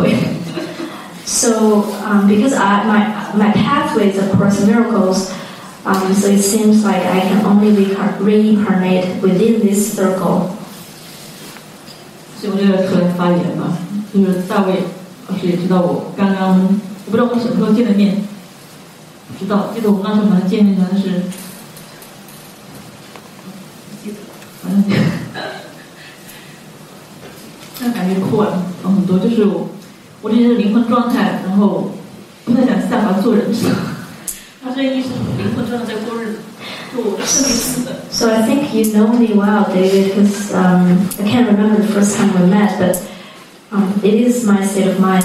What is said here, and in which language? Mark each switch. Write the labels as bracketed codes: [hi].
[zh] 只能往这个轮回，什么圈子？奇迹圈子，奇迹圈子。 [en] So because my pathway is of course miracles, so it seems like I can only reincarnate within this circle. [zh] 所以我就突然发言吧，就是大卫老师也知道我刚刚，我不知道我什么时候见的面，不知道，记得我们那时候好像见面，但是。 [en] So I think you know me well, David, because I can't remember the first time we met, but it is my state of mind.